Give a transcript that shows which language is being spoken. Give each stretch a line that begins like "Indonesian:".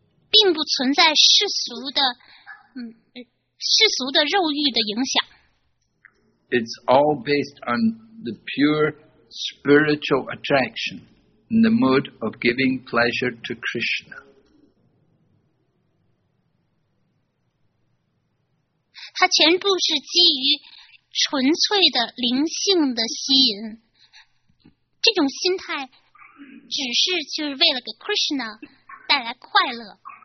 Chinese: 并不存在世俗的，世俗的肉欲的影响。
English: It's all based on the pure spiritual attraction in the mood of giving pleasure to Krishna.
Chinese: 它全部是基于纯粹的灵性的吸引，这种心态只是就是为了给 Krishna 带来快乐。